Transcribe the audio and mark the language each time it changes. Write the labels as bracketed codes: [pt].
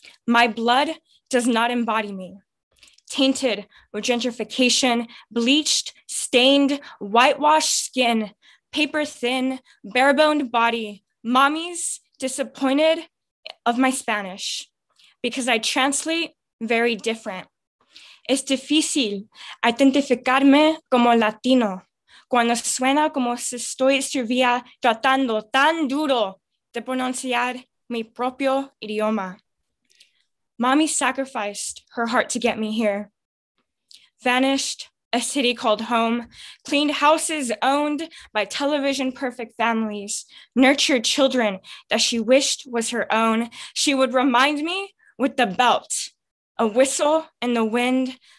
[en] My blood does not embody me. Tainted with gentrification, bleached, stained, whitewashed skin, paper thin, bare-boned body, mommies disappointed of my Spanish, because I translate very different. [es] Es difícil identificarme como latino cuando suena como si estoy servía tratando tan duro de pronunciar mi propio idioma. [en] Mommy sacrificed her heart to get me here. Vanished a city called home, cleaned houses owned by television perfect families, nurtured children that she wished was her own. She would remind me with the belt, a whistle in the wind,